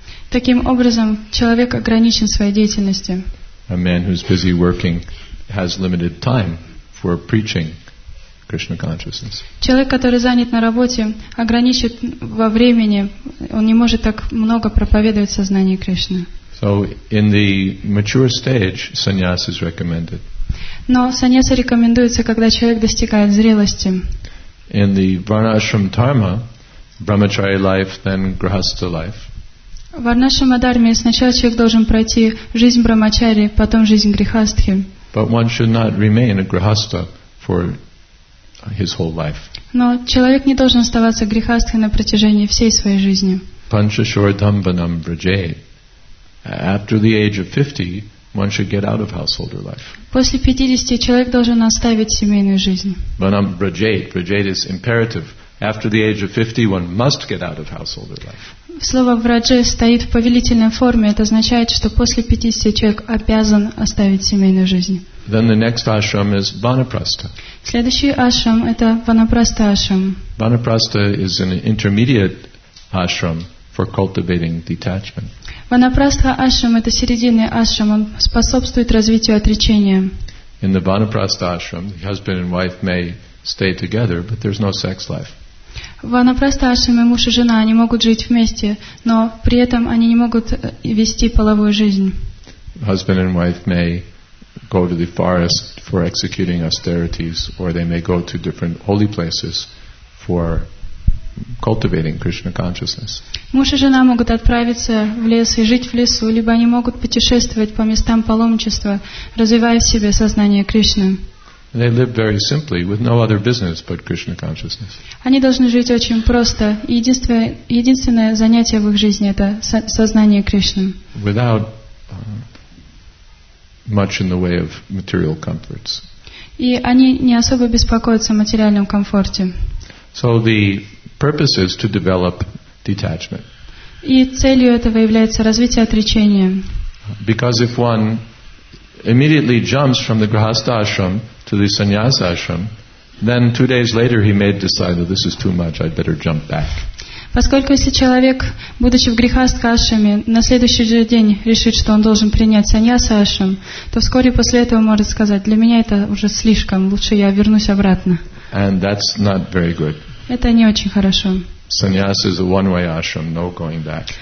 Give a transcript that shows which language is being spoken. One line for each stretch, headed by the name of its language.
Russian: Таким образом, человек ограничен своей деятельностью.
English: A man who's busy working has limited time for preaching Krishna consciousness.
Russian: Человек, который занят на работе, ограничен во времени, он не может так много проповедовать сознание Кришны.
English: So in the mature stage, sannyas is recommended.
Russian: Но саньяса рекомендуется, когда человек достигает зрелости.
English: In the varnashram dharma, brahmachari life, then grahastha life.
Russian: В варнашрама дхарме сначала человек должен пройти жизнь брахмачари, потом жизнь грихастхи.
English: But one should not remain a grahastha for his whole life.
Russian: Но человек не должен оставаться грихастхи на протяжении всей своей жизни.
Sanskrit: Panchashordambanam vrajet.
English: After the age of 50, one should get out of householder life.
Russian: После 50 человек должен оставить семейную жизнь.
Sanskrit: Banam vrajet.
English: Vrajet is imperative. After the age of 50, one must get out of householder life.
Russian: Слово «враджа» стоит в повелительной форме. Это означает, что после 50 человек обязан оставить семейную жизнь.
English: Then the next ashram is vanaprastha.
Russian: Следующий ашрам – это ванапраста ашрам.
English: Vanaprastha is an intermediate ashram for cultivating detachment.
Russian: Ванапрастха ашрам – это серединный ашрам. Он способствует развитию отречения.
English: In the vanaprastha ashram, the husband and wife may stay together, but there's no sex life.
Russian: Ванапрастхашрам и муж и жена, они могут жить вместе, но при этом они не могут вести половую жизнь.
English: Husband and wife may go to the forest for executing austerities, or they may go to different holy places for cultivating Krishna consciousness.
Russian: Муж и жена могут отправиться в лес и жить в лесу, либо они могут путешествовать по местам паломничества, развивая в себе сознание Кришны.
English: They live very simply with no other business but Krishna consciousness.
Russian: Они должны жить очень просто. Единственное занятие в их жизни это сознание Кришны.
English: Without much in the way of material comforts.
Russian: И они не особо беспокоятся о материальном комфорте.
English: So the purpose is to develop detachment.
Russian: И целью этого является развитие отречения.
English: Because if one immediately jumps from the grahastha ashram to the sannyas ashram, then 2 days later he may decide that this is too much, I'd better jump back.
Russian: Поскольку если человек, будучи в грехастха ашраме, на следующий же день решит, что он должен принять саньяса ашрам, то вскоре после этого может сказать, для меня это уже слишком, лучше я вернусь обратно.
English: And that's not very good.
Russian: Это не очень хорошо.
English: Sannyas is a one-way ashram, no going back.